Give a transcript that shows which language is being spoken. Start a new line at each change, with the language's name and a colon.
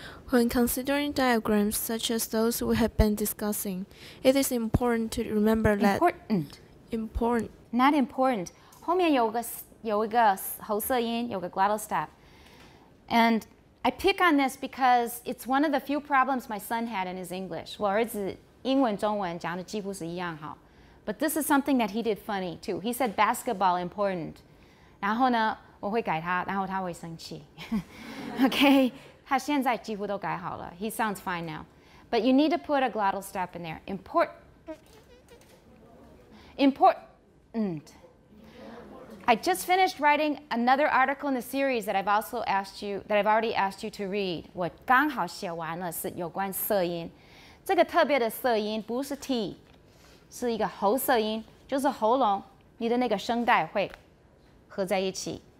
English: When considering diagrams such as those we have been discussing, it is important to remember that...
Chinese: Important. 后面有一个喉塞音，有个 glottal stop.
English: And I pick on this because it's one of the few problems my son had in his English.
Chinese: 我儿子英文中文讲的几乎是一样好。
English: But this is something that he did funny too. He said basketball important.
Chinese: 然后呢，我会改他，然后他会生气。 Okay? 他现在几乎都改好了。
English: He sounds fine now. But you need to put a glottal stop in there. Important. Important. I just finished writing another article in the series that I've also asked you, that I've already asked you to read.
Chinese: 我刚好写完了，是有关色音。这个特别的色音不是 T， 是一个喉色音，就是喉咙，你的那个声带会合在一起。